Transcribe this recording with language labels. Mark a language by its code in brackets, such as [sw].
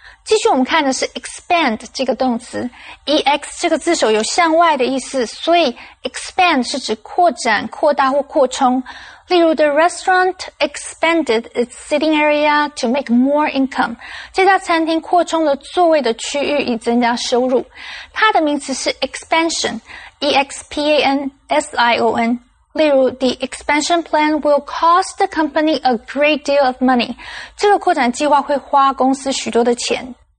[zh] 继续我们看的是 expand 这个动词。ex 这个字首有向外的意思，所以 expand 是指扩展、扩大或扩充。例如 [en] ,the restaurant expanded its sitting area to make more income. [zh] 这家餐厅扩充了座位的区域以增加收入。它的名词是 expansion,expansion。例如 [en] ,the expansion plan will cost the company a great deal of money. [zh] 这个扩展计划会花公司许多的钱。